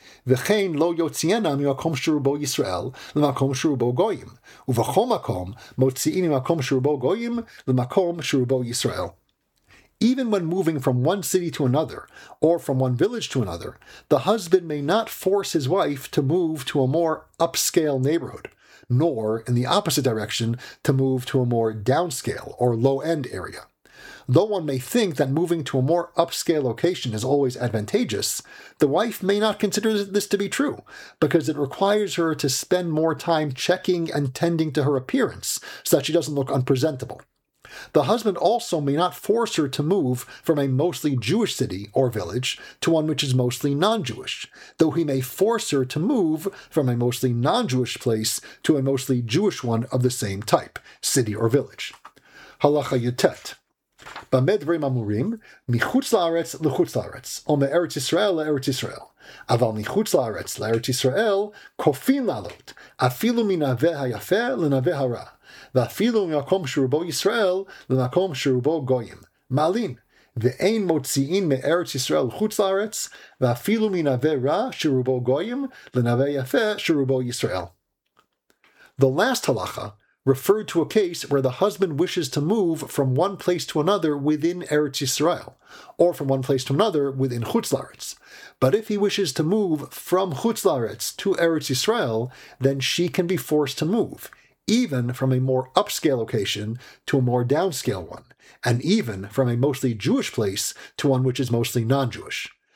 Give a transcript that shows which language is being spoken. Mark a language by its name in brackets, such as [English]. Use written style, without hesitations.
[Hebrew] וכן לא יוציאנה ממקום שרובו ישראל למקום שרובו גויים, ובכל מקום מוציאים ממקום שרובו גויים למקום שרובו ישראל. [English] Even when moving from one city to another, or from one village to another, the husband may not force his wife to move to a more upscale neighborhood, nor, in the opposite direction, to move to a more downscale or low-end area. Though one may think that moving to a more upscale location is always advantageous, the wife may not consider this to be true, because it requires her to spend more time checking and tending to her appearance so that she doesn't look unpresentable. The husband also may not force her to move from a mostly Jewish city or village to one which is mostly non-Jewish, though he may force her to move from a mostly non-Jewish place to a mostly Jewish one of the same type, city or village. [Hebrew] Halacha Yutet. במה דברים אמורים? מחוץ לארץ לחוץ לארץ, או מארץ ישראל לארץ ישראל. אבל מחוץ לארץ לארץ ישראל, כופין לעלות, אפילו מנווה היפה לנווה הרע, ואפילו ממקום שרובו ישראל למקום שרובו גויים. מעלין, ואין מוציאין מארץ ישראל לחוץ לארץ, ואפילו מנווה רע שרובו גויים, לנווה יפה שרובו ישראל. [English] The last halacha referred to a case where the husband wishes to move from one place to another within Eretz Yisrael, or from one place to another within Chutz Laretz. But if he wishes to move from Chutz Laretz to Eretz Yisrael, then she can be forced to move, even from a more upscale location to a more downscale one, and even from a mostly Jewish place to one which is mostly non-Jewish.